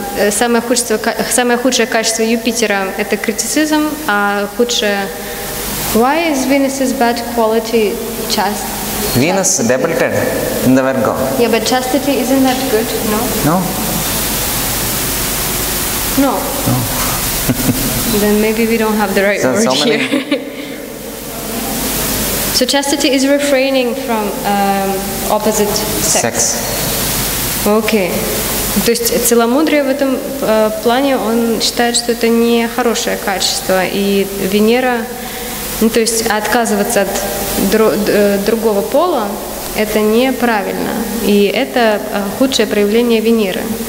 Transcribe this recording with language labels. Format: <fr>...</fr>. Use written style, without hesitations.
<ru>Самое худшее качество Юпитера – это критицизм, а худшее.</ru> <en>Why is Venus's bad quality chastity? Venus debilitated in the Virgo. Yeah, but chastity isn't that good, no? No. No. No. Then maybe we don't have the right so, word so many here. So chastity is refraining from opposite sex. Okay.</en> <ru>То есть целомудрие в этом плане, он считает, что это не хорошее качество, и Венера. Ну, то есть отказываться от другого пола – это неправильно. И это худшее проявление Венеры.</ru>